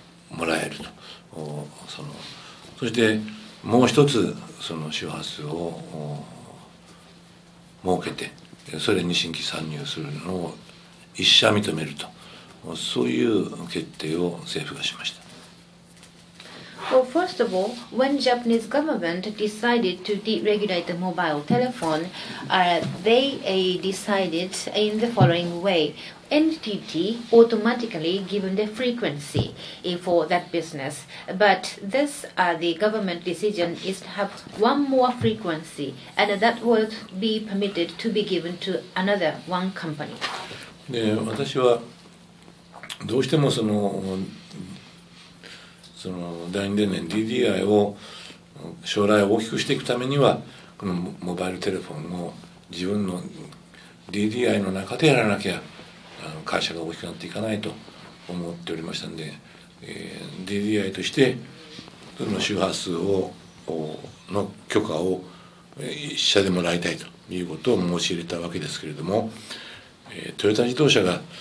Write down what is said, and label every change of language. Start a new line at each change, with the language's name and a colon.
Japanese: もらえると、そしてもう一つその周波数を設けてそれに新規参入するのを一社認めると、そういう決定を政府がしました。
English: Well, first of all, when Japanese government decided to deregulate the mobile telephone, they decided in the following way. NTT automatically given the frequency for that business. But this, the government decision is to have one more frequency, and that would be permitted to be given to another one company.
Japanese: 私はどうしてもその第二電源 DDI を将来大きくしていくためにはこのモバイルテレフォンを自分の DDI の中でやらなきゃ会社が大きくなっていかないと思っておりましたので、DDI としてその周波数をの許可を一社でもらいたいということを申し入れたわけですけれども、トヨタ自動車が、